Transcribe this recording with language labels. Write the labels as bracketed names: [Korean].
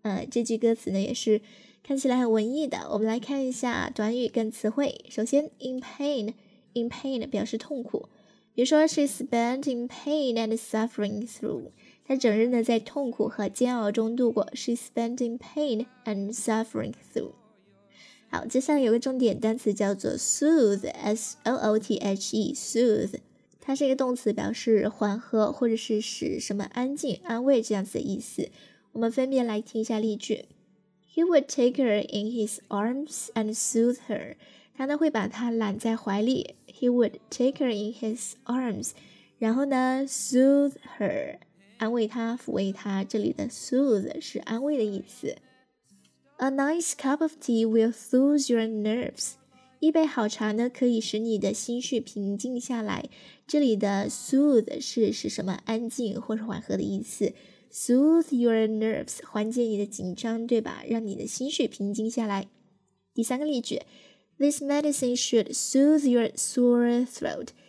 [Chinese] 这句歌词呢也是看起来很文艺的。我们来看一下短语跟词汇。首先 ，in pain 表示痛苦。 [English] 比如说 ，she spent in pain and suffering through. [Chinese] 她整日呢在痛苦和煎熬中度过。 [English] She spent in pain and suffering through. [Chinese] 好，接下来有个重点单词叫做 soothe, S-O-O-T-H-E, soothe, 它是一个动词，表示缓和或者是使什么安静、安慰这样子的意思。我们分别来听一下例句。 [English] He would take her in his arms and soothe her. [Chinese] 他呢会把她揽在怀里。 [English] He would take her in his arms, [Chinese] 然后呢 [English] soothe her, [Chinese] 安慰她、抚慰她。这里的 soothe 是安慰的意思。 [English] A nice cup of tea will soothe your nerves. [Chinese] 一杯好茶呢，可以使你的心绪平静下来。这里的 soothe 是使什么安静或是缓和的意思。 [English] Soothe your nerves， [Chinese] 缓解你的紧张，对吧？让你的心绪平静下来。第三个例句 ， [English] This medicine should soothe your sore throat.